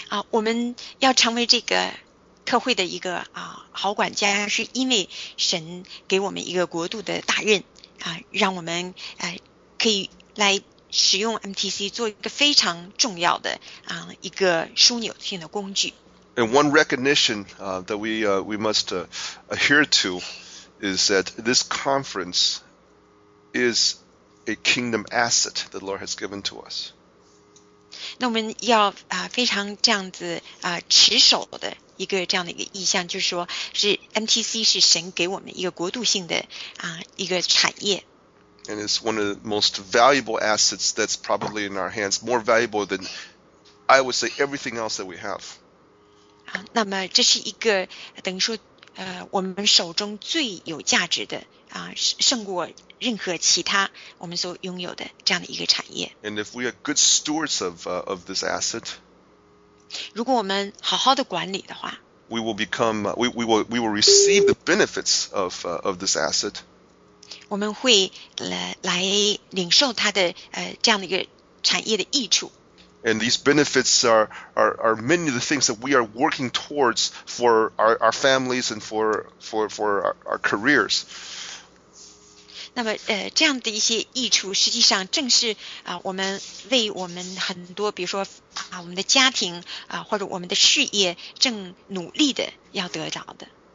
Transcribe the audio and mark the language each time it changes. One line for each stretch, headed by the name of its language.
Chinese: 我们要成为这个特会的一个好管家是因为神给我们一个国度的大任让我们可以来使用 MTC 做一个非常重要的一个枢纽性的工具。
English: And one recognition that we must adhere to is that this conference is a kingdom asset that the Lord has given to us.
Chinese: 那我们要非常这样子持守的一个这样的一个意向，就是说是 MTC 是神给我们一个国度性的一个产业。
English: And it's one of the most valuable assets that's probably in our hands, more valuable than I would say everything else that we have.
Chinese: 那么这是一个等于说我们手中最有价值的胜过任何其他我们所拥有的这样的一个产业。
English: And if we are good stewards of this asset,
Chinese: 如果我们好好的管理的话
English: we will receive the benefits of this asset.
Chinese: 我们会来领受它的这样的一个产业的益处。
English: And these benefits are many of the things that we are working towards for our families and for our careers.
Chinese: 那么这样的一些益处实际上正是我们为我们很多比如说我们的家庭或者我们的事业正努力的要得到的。